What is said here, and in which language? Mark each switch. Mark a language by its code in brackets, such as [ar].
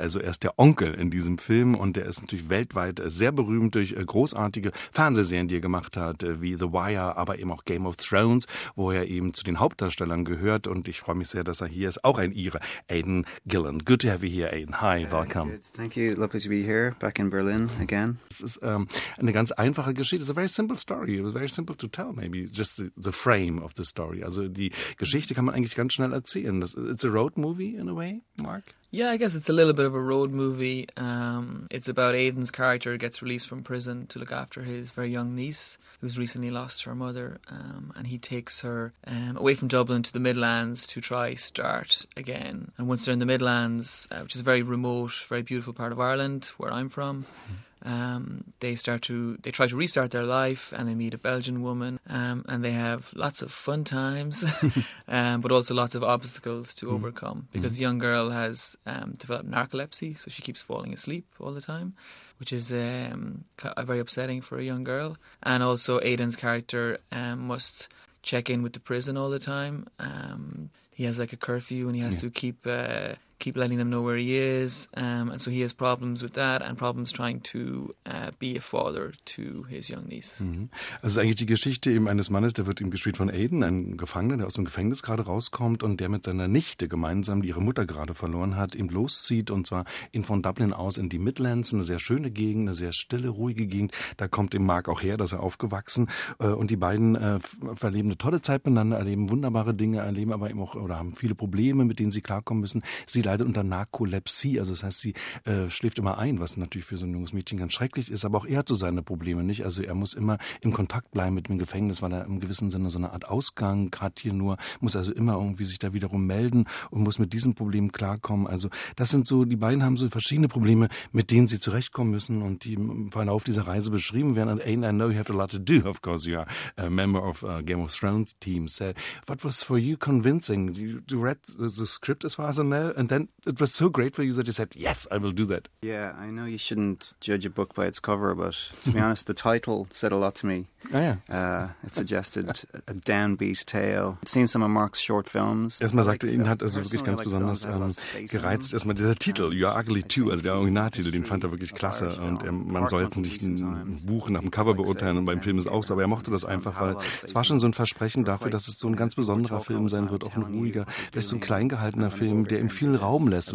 [de] Also er ist der Onkel in diesem Film und der ist natürlich weltweit sehr berühmt durch großartige Fernsehserien, die er gemacht hat, wie The Wire, aber eben auch Game of Thrones, wo er eben zu den Hauptdarstellern gehört und ich freue mich sehr, dass er hier ist. Auch ein Ire, [en] Aidan Gillen. Good to have you here, Aidan. Hi, welcome. Thank you. Lovely to be here, back in Berlin again. [de] Es ist eine ganz einfache Geschichte. [en] It's a very simple story. It was very simple to tell, maybe. Just the frame of the story. [de] Also die Geschichte kann man eigentlich ganz schnell erzählen. [en] It's a road movie in a way, Mark? Yeah, I guess it's a little bit of a road movie. It's about Aidan's character gets released from prison to look after his very young niece, who's recently lost her mother, and he takes her away from Dublin to the Midlands to try start again. And once they're in the Midlands, which is a very remote, very beautiful part of Ireland, where I'm from, they try to restart their life, and they meet a Belgian woman, and they have lots of fun times, but also lots of obstacles to overcome, because the young girl has developed narcolepsy, so she keeps falling asleep all the time, which is very upsetting for a young girl. And also Aidan's character must check in with the prison all the time. He has like a curfew and he has to keep keep letting them know where he is. And so he has problems with that and problems trying to be a father to his young niece. Mhm. [de] Also eigentlich die Geschichte eben eines Mannes, der wird eben gespielt von Aiden, ein Gefangener, der aus dem Gefängnis gerade rauskommt und der mit seiner Nichte gemeinsam, die ihre Mutter gerade verloren hat, ihm loszieht und zwar in von Dublin aus in die Midlands, eine sehr schöne Gegend, eine sehr stille, ruhige Gegend. Da kommt eben Mark auch her, dass er aufgewachsen und die beiden verleben eine tolle Zeit miteinander, erleben wunderbare Dinge, erleben aber eben auch oder haben viele Probleme, mit denen sie klarkommen müssen. Sie leidet unter Narkolepsie, also das heißt, sie schläft immer ein, was natürlich für so ein junges Mädchen ganz schrecklich ist, aber auch er hat so seine Probleme nicht. Also er muss immer im Kontakt bleiben mit dem Gefängnis, weil er im gewissen Sinne so eine Art Ausgang hat hier nur, muss also immer irgendwie sich da wiederum melden und muss mit diesen Problemen klarkommen. Also das sind so, die beiden haben so verschiedene Probleme, mit denen sie zurechtkommen müssen und die im Verlauf dieser Reise beschrieben werden. [en] And Aiden, I know you have a lot to do, of course you are a member of Game of Thrones team. So what was for you convincing? You read the script as far as I know, and then it was so great for you that you said, yes, I will do that. Yeah, I know you shouldn't judge a book by its cover, but to be honest, the title said a lot to me. Oh, yeah. It suggested a downbeat tale. I've seen some of Mark's short films. [de] Erstmal sagte, ihn hat also wirklich ganz besonders gereizt. Erstmal dieser Titel, You Are Ugly Too, also der Originaltitel, den fand er wirklich klasse. Und man sollte nicht ein Buch nach dem Cover beurteilen, und beim Film ist es auch so, aber er mochte das einfach, weil es war schon so ein Versprechen dafür, dass es so ein ganz besonderer Film sein wird, auch ein ruhiger, vielleicht so ein kleingehaltener Film, der ihm viel Raum lässt.